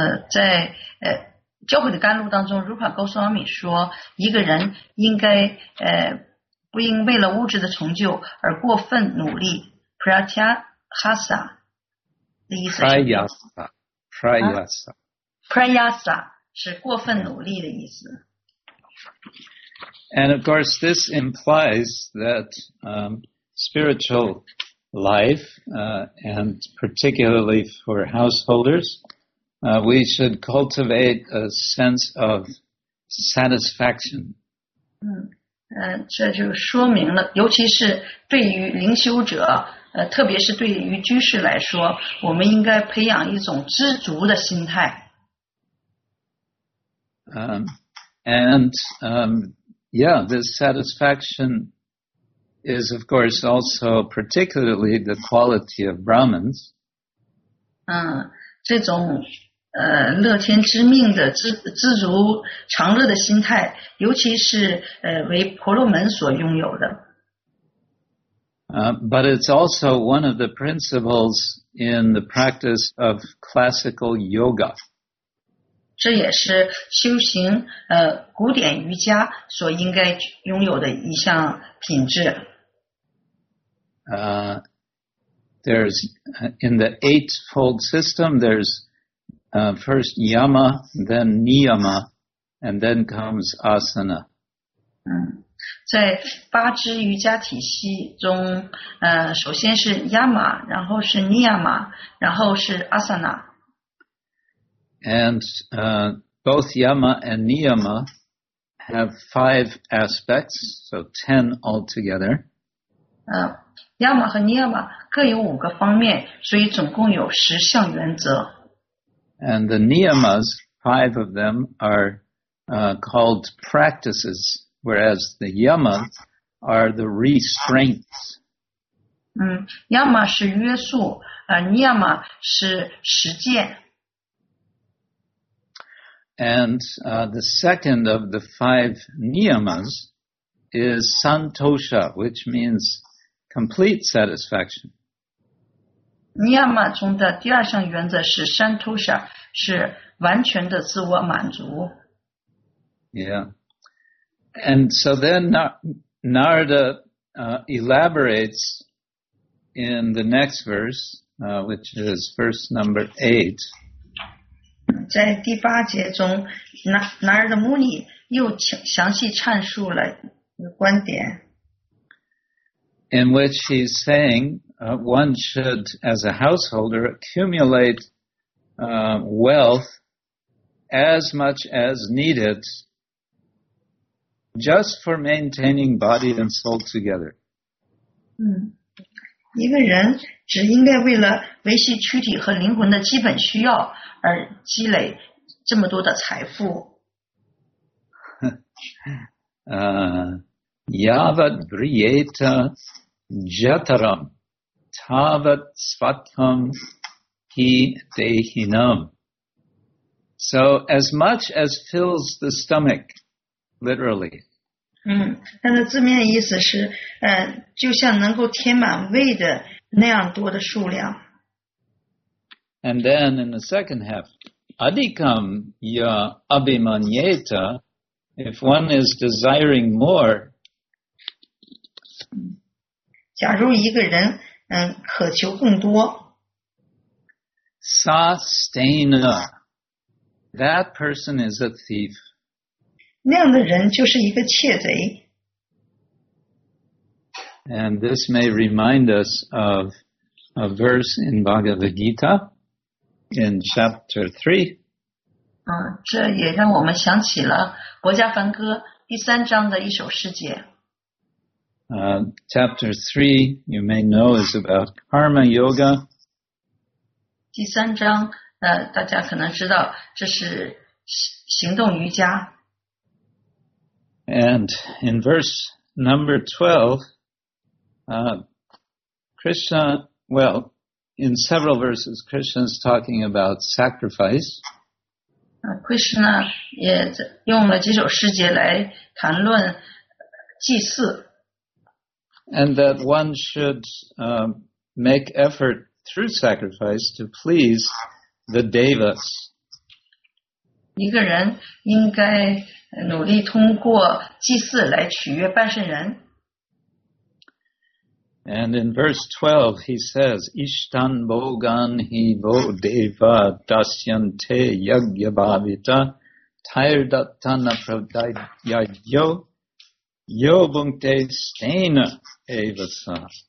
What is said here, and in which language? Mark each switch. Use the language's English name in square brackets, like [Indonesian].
[Chinese] 在教会的甘露当中 ，Rupa Goswami 说，一个人应该不应为了物质的成就而过分努力。 Pratyahasa 的意思是 [Sanskrit] Prayasa [Chinese] 是过分努力的意思。 [English] And of course, this implies that spiritual life, and particularly for householders, we should cultivate a sense of satisfaction. [Chinese] 这就说明了，尤其是对于灵修者，特别是对于居士来说，我们应该培养一种知足的心态。 [English] And Yeah, this satisfaction is, of course, also particularly the quality of Brahmins. [Chinese] 这种乐天知命的知足常乐的心态，尤其是为婆罗门所拥有的。 [English] But it's also one of the principles in the practice of classical yoga. [Chinese] 这也是修行古典瑜伽所应该拥有的一项品质。 [English] There's in the eightfold system, there's first yama, then niyama, and then comes asana. [Chinese] 在八支瑜伽体系中，首先是 yama， 然后是 niyama， 然后是 asana。 [English] And both yama and niyama have five aspects, so 10 altogether. [Chinese] Yama 和 niyama 各有五个方面，所以总共有十项原则。 [English] And the niyamas, five of them are called practices. Whereas the yamas are the restraints. [Chinese] Yama 是约束，niyama 是实践。 [English] And the second of the five niyamas is santosha, which means complete satisfaction. [Chinese] Niyama 中的第二项原则是 santosha， 是完全的自我满足。 [English] Yeah. And so then Narada elaborates in the next verse, which is verse number 8. [Chinese] 在第八节中 Narada Muni 又详细阐述了观点。 [English] In which he's saying, one should, as a householder, accumulate wealth as much as needed,Just for maintaining body and soul together. [Chinese] 一个人只应该为了维系躯体和灵魂的基本需要而积累这么多的财富。 [Sanskrit] Yavat Vriyeta Jataram Tavat Svatam Hi Dehinam. [English] So as much as fills the stomach, literally. [Chinese] 它的字面意思是就像能够填满胃的那样多的数量。 [English] And then in the second half, [Sanskrit] adikam ya abhimanyeta, [English] if one is desiring more, [Chinese] 假如一个人渴求更多 [English] ,sustaina, that person is a thief. [Chinese] 那样的人就是一个窃贼。 [English] And this may remind us of a verse in Bhagavad Gita, in chapter 3. [Chinese] 这也让我们想起了《国家梵歌》第三章的一首诗节。 [English] Chapter 3, you may know, is about karma yoga. [Chinese] 第三章，大家可能知道，这是行动瑜伽。 [English] And in verse number 12, Krishna, well, in several verses, Krishna's talking about sacrifice. [Chinese] Krishna 也用了几首诗节来谈论祭祀。 [English] And that one should make effort through sacrifice to please the devas. [Chinese] 一个人应该努力通过祭祀来取悦半圣人。 [English] And in verse 12, he says, [Sanskrit] Ishtan bogan hi bo deva dasyante yagya bhavita tairdatana pradayayyo yo bungte stena evasa.